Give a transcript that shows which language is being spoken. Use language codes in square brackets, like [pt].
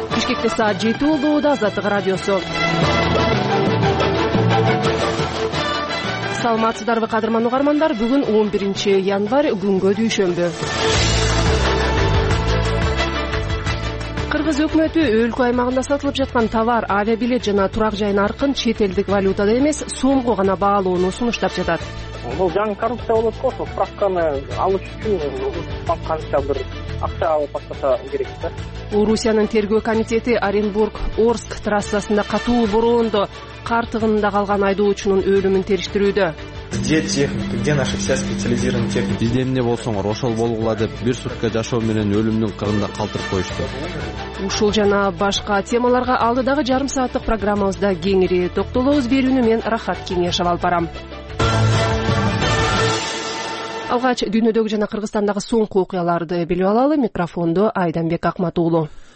[ky] اقتصاد جيتو دازت غراديو سول саламатсыздар ва кадырман угармандар бүгүн 11-январь күнгө дүйшөмбү кыргыз өкмөтү өлкө аймагында сатылып жаткан товар авиа билет жана турак жай наркын чет элдик валютада эмес сомго гана баалоону сунуштап жатат бул жаңы коррупция болот го ошо справканы алыш үчүн канча бир акча алып баштаса керек да орусиянын тергөө комитети оренбург орск трассасында катуу бороондо кар тыгынында калган айдоочунун өлүмүн териштирүүдө [ru] где техника где наша вся специализированная техника [ky] бизде эмне болсоңор ошол болгула деп бир сутка жашоо менен өлүмдүн кырында калтырып коюшту ушул жана башка темаларга алдыдагы жарым сааттык программабызда кеңири токтолобуз берүүнү мен рахат кеңешов алып барам алгач дүйнөдөгү жана кыргызстандагы соңку окуяларды билип алалы микрофондо айданбек акмат уулу